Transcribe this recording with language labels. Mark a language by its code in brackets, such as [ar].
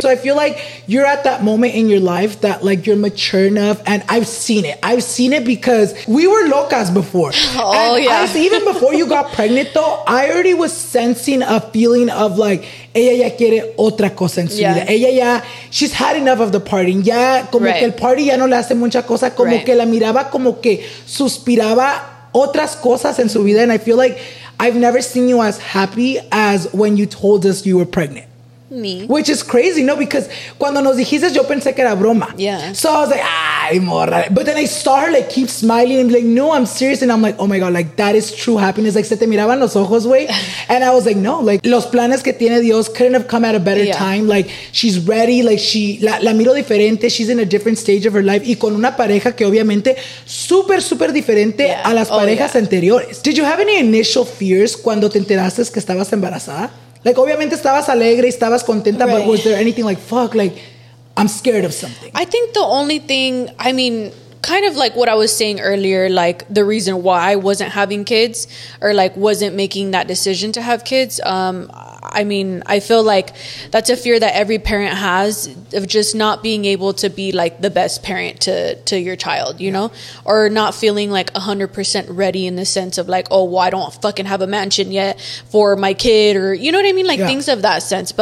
[en] So I feel like you're at that moment in your life that like you're mature enough. And I've seen it. I've seen it because we were locas before. Oh, and yeah. Even before you got pregnant, though, I already was sensing a feeling of like, [es] ella ya quiere otra cosa en su vida. Ella ya, [en] she's had enough of the party. [es] Ya, como que el party ya no le hace mucha cosa. Como que la miraba, como que suspiraba otras cosas en su vida. [en] And I feel like I've never seen you as happy as when you told us you were pregnant. Me. Which is crazy, you know, because [es] cuando nos dijiste, yo pensé que era broma. [en] Yeah. So I was like, ay, morra. But then I saw her, like, keep smiling and be like, no, I'm serious. And I'm like, oh, my God, like, that is true happiness. Like, [es] se te miraban los ojos, güey. [en] And I was like, no, like, [es] los planes que tiene Dios [en] couldn't have come at a better time. Like, she's ready. Like, she, [es] la miro diferente. [en] She's in a different stage of her life. [es] Y con una pareja que obviamente súper, súper diferente a las parejas anteriores. [en] Did you have any initial fears [es] cuando te enteraste que estabas embarazada? [en] Like, [es] obviamente, estabas alegre y estabas contenta, [en] but was there anything like, fuck, like, I'm scared of something? I think the only thing, I mean, kind of like what I was saying earlier, like, the reason why I wasn't having kids or, like, wasn't making that decision to have kids, I mean, I feel like that's a fear that every parent has of just not being able to be like the best parent to your child, you know, or not feeling like 100% ready in the sense of like, oh, well, I don't fucking have a mansion yet for my kid or, you know what I mean? Like things of that sense.